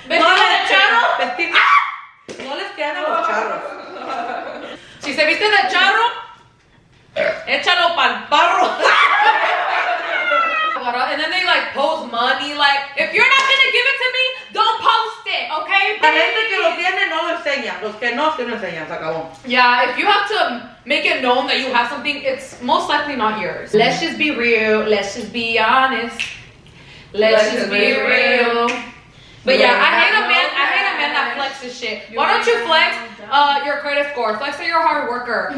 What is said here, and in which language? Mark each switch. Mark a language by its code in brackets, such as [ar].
[es] Vestido no, de charro? Vestido. No les quedan a los charros. Si se viste de charro, échalo pa'l barro. [en] And then they like post money. Like, if you're not gonna give it to me, don't post it, okay? [es] La gente que lo tiene no lo enseña. Los que no se lo enseñan, se acabó. [en] Yeah, if you have to make it known that you have something, it's most likely not yours. Let's just be real. Let's just be honest. Let's just be real. But yeah, I hate a man. I hate a man that flexes shit. Why don't you flex your credit score? Flex that you're a hard worker.